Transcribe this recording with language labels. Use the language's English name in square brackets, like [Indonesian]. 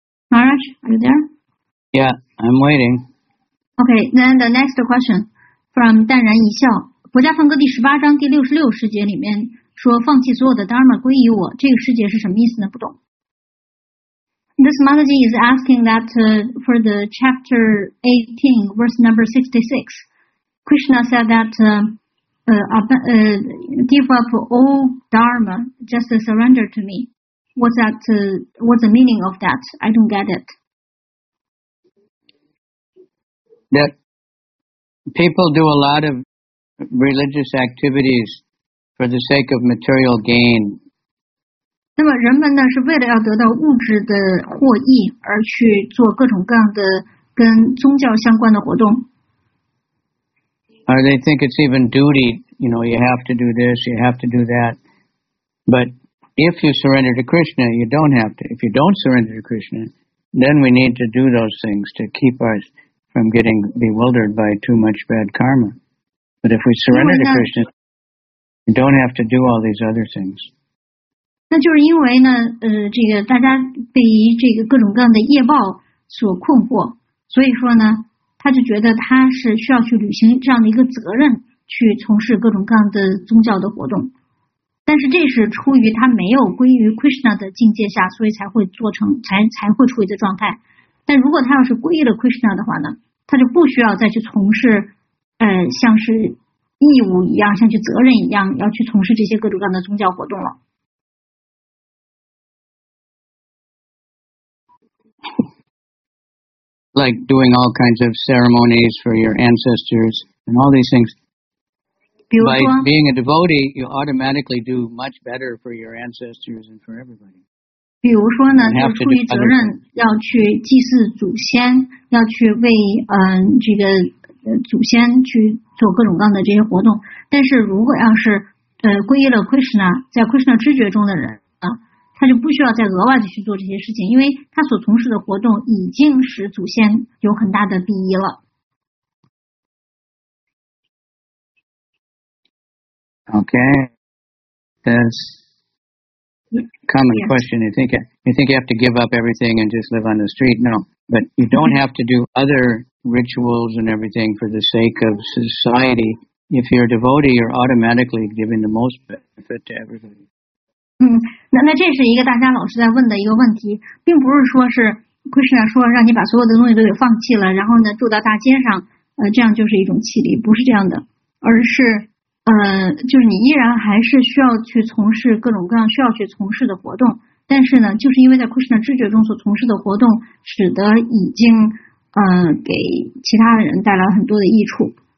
[English] Maharaj, are you there? Yeah, I'm waiting. Okay, then the next question from 淡然一笑。 [Chinese] 薄伽梵歌第十八章第66世节里面说放弃所有的 Dharma 归于我，这个世界是什么意思呢？不懂。 [English] This Mataji is asking that for the chapter 18, verse number 66, Krishna said that give up all dharma, just surrender to me. What's that, what's the meaning of that? I don't get it. That people do a lot of religious activities for the sake of material gain. [Chinese] 那么人们呢是为了要得到物质的获益而去做各种各样的跟宗教相关的活动。 [English] Or they think it's even duty, you know, you have to do this, you have to do that. But if you surrender to Krishna, you don't have to. If you don't surrender to Krishna, then we need to do those things to keep us from getting bewildered by too much bad karma. But if we surrender to Krishna, you don't have to do all these other things. [Chinese] 那就是因为呢，这个大家被这个各种各样的业报所困惑，所以说呢，他就觉得他是需要去履行这样的一个责任，去从事各种各样的宗教的活动。但是这是出于他没有归于 Krishna 的境界下，所以才会做成才会处于的状态。但如果他要是归了 Krishna 的话呢，他就不需要再去从事，像是义务一样，像去责任一样，要去从事这些各种各样的宗教活动了。 [English] Like doing all kinds of ceremonies for your ancestors and all these things. By being a devotee, you automatically do much better for your ancestors and for everybody. [Chinese] 比如说呢，就出于责任要去祭祀祖先，要去为这个祖先去做各种各样的这些活动。但是如果要是皈依了 Krishna， 在 Krishna 知觉中的人。他就不需要再额外的去做这些事情，因为他所从事的活动已经使祖先有很大的裨益了。 [English] Okay, that's a common question. You think you have to give up everything and just live on the street? No, but you don't have to do other rituals and everything for the sake of society. If you're a devotee, you're automatically giving the most benefit to everybody. [Chinese] 那这是一个大家老是在问的一个问题，并不是说是 Krishna 说让你把所有的东西都给放弃了，然后呢住到大街上，这样就是一种弃离，不是这样的，而是就是你依然还是需要去从事各种各样需要去从事的活动，但是呢，就是因为在 Krishna 知觉中所从事的活动，使得已经给其他的人带来很多的益处。